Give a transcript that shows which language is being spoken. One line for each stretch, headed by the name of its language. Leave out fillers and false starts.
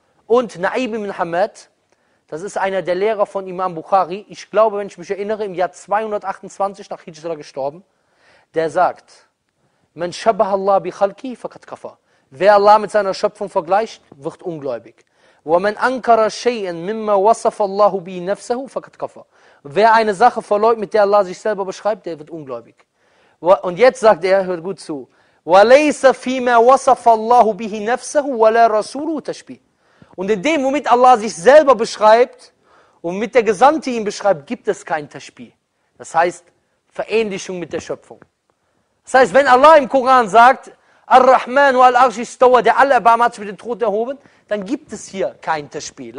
German: Und Na'im ibn Hamad, das ist einer der Lehrer von Imam Bukhari, ich glaube, wenn ich mich erinnere, im Jahr 228 nach Hijra gestorben, der sagt,
Arabic: Man shabaha Allah bi khalqi faqad kafa.
German: Wer Allah mit seiner Schöpfung vergleicht, wird ungläubig.
Arabic: وَمَنْ أَنْكَرَ شَيْئًا مِمَّا وَصَفَ اللَّهُ بِهِ نَفْسَهُ فَقَدْ كَفَرَ.
German: Wer eine Sache verleugnet, mit der Allah sich selber beschreibt, der wird ungläubig. Und jetzt sagt er, hört gut zu,
Arabic: وَلَيْسَ فِيمَا وَصَفَ اللَّهُ بِهِ نَفْسَهُ وَلَا رَسُولُهُ تَشْبِهِ.
German: Und in dem, womit Allah sich selber beschreibt und mit der Gesandte ihn beschreibt, gibt es kein Tashbih. Das heißt, Verähnlichung mit der Schöpfung. Das heißt, wenn Allah im Koran sagt,
Arabic: Ar-Rahman wa al-Arsh istawa,
German: der Allerbarmer hat sich mit dem Thron erhoben, dann gibt es hier kein Tashbih.